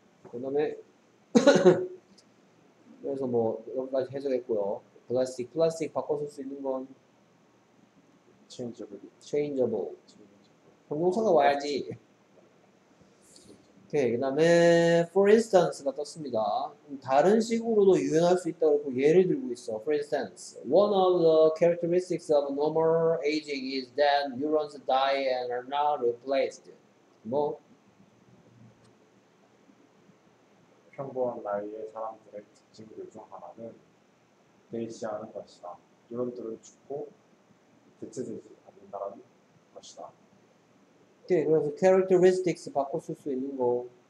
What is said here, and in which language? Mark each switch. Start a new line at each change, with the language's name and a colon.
Korean: 그 다음에 그래서 뭐 여기까지 해석했고요. 플라스틱 바꿔 쓸수 있는 건
English: changeability.
Korean: changeable. 형용사가 와야지. 오케이. 오케이. 그 다음에 for instance 가 떴습니다. 다른 식으로도 유연할 수 있다고 예를 들고 있어.
English: For instance, one of the characteristics of normal aging is that neurons die and are not replaced.
Korean: 뭐? 평범한 나이의 사람들의 특징들 중 하나는 대시하는 것이다. 이런들은 죽고 대체되지 않는다는 것이다. 오케이. 그래서 characteristics 바꿔 쓸 수 있는 거